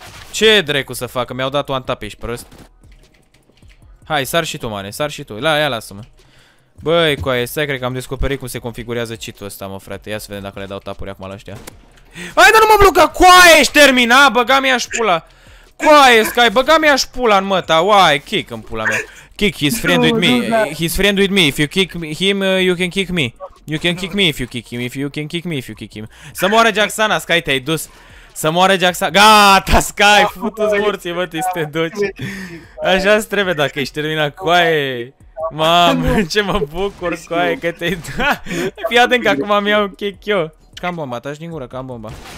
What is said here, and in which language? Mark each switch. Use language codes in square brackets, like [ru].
[ro] Ce dracu să facă, mi-au dat [en] one tap [ro] aici, prost. Hai, sar și tu, mane, sar și tu, la, ia, lasă-mă. Băi, coaie, stai, cred că am descoperit cum se configurează cheat-ul ăsta, mă, frate. Ia să vedem dacă le dau tapuri acum la ăștia. Hai, dar nu mă blocă, coaie, ești terminat, băgam ia-și pula. Coaie, Sky, băgam ia-și pula în măta, uai, kick în pula mea. [en] Kick, he's friend with me, he's friend with me, if you kick him, you can kick me. You can kick me if you kick him, if you can kick me if you kick him. [ro] Să moară Jaxana, Sky, te-ai dus. Să moare Jaxana, gata, Sky, futu-ți morții, bă, să te duci. Așa-ți trebuie dacă ești terminat, coaie. Mamă, ce mă bucur, coaie, că te-ai dus. Fii atent că acum mi-au kick eu. Cam bomba, taci din gură, cam bomba.